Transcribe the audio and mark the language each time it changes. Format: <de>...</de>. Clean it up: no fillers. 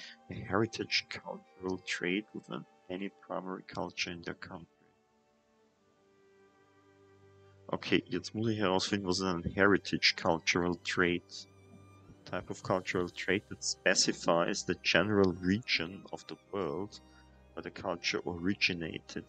<en>A heritage cultural trait with any primary culture in their country.</en> <de>Okay, jetzt muss ich herausfinden, was ist ein heritage cultural trait.</de> <en>Type of cultural trait that specifies the general region of the world where the culture originated.</en>